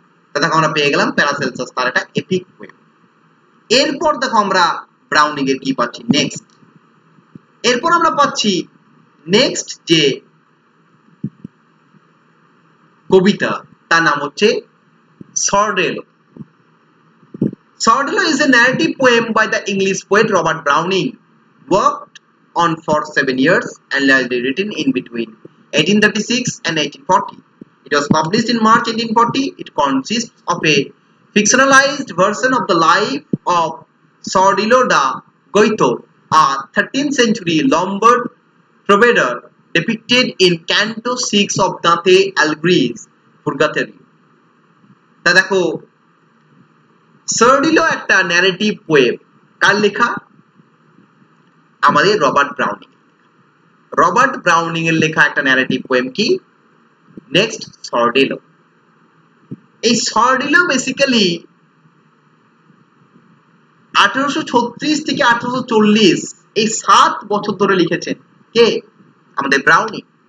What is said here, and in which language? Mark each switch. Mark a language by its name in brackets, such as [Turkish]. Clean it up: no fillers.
[Bangla] তা দেখো আমরা পেয়ে গেলাম প্যারাসেলসাস তার একটা এপিক পোয়েম। এরপর দেখো আমরা ব্রাউনিং এর কি পাচ্ছি নেক্সট, এরপর আমরা পাচ্ছি নেক্সট যে কবিতা তার নাম হচ্ছে সর্ডেলো। [English] Sordello is a narrative poem by the English poet Robert Browning, worked on for 7 years and largely written in between 1836 and 1840. It was published in March 1840. It consists of a fictionalized version of the life of Sordello da Goito, a 13th century Lombard trovador depicted in Canto 6 of Dante Alighieri's Purgatory. [Bangla] তা দেখো সার্ডিলো একটা narrative poem কার লেখা? আমাদের Robert Browning. Robert Browning এর লেখা একটা narrative poem কি? Next সার্ডিলো। এই সার্ডিলো বেসিক্যালি 1836 থেকে 1840 এই 7 বছর ধরে লিখেছেন কে? আমাদের ব্রাউনিং।